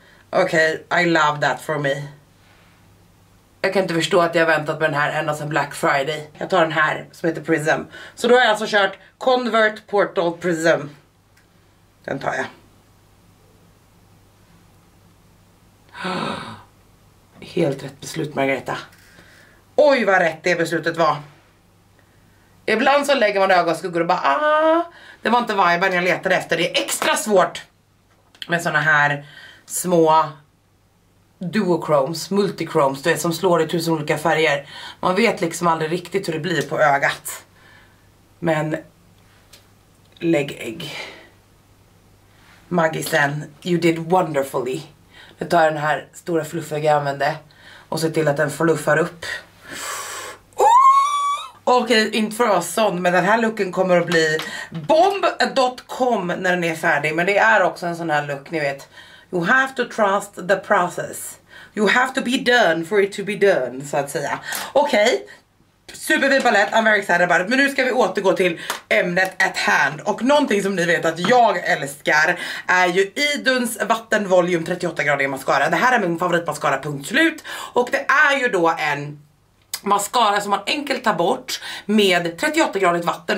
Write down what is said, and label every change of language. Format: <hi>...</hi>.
<en>Okej, okay, I love that for me.</en> <sv>Jag kan inte förstå att jag har väntat med den här ända sedan Black Friday. Jag tar den här som heter Prism. Så då har jag alltså kört Convert Portal Prism. Den tar jag. Helt rätt beslut, Margareta. Oj, vad rätt det beslutet var. Ibland så lägger man ögonskuggor och bara, ah, det var inte viben jag letade efter. Det är extra svårt med såna här små duochromes, multichromes, du vet, som slår i tusen olika färger. Man vet liksom aldrig riktigt hur det blir på ögat. Men lägg ägg.</sv> <en>Magisen, you did wonderfully.</en> <sv>Nu tar jag den här stora fluffiga jag använde och ser till att den fluffar upp. Okej, inte för oss sån, men den här looken kommer att bli bomb.com när den är färdig. Men det är också en sån här look, ni vet.</sv> <en>You have to trust the process. You have to be done for it to be done,</en> <sv>så att säga. Okej, superfin palett,</sv> <en>I'm very excited about it.</en> <sv>Men nu ska vi återgå till ämnet</sv> <en>at hand.</en> <sv>Och någonting som ni vet att jag älskar är ju Iduns vattenvolym 38 grader mascara. Det här är min favoritmascara, punkt slut. Och det är ju då en mascara som man enkelt tar bort med 38 gradigt vatten.</sv>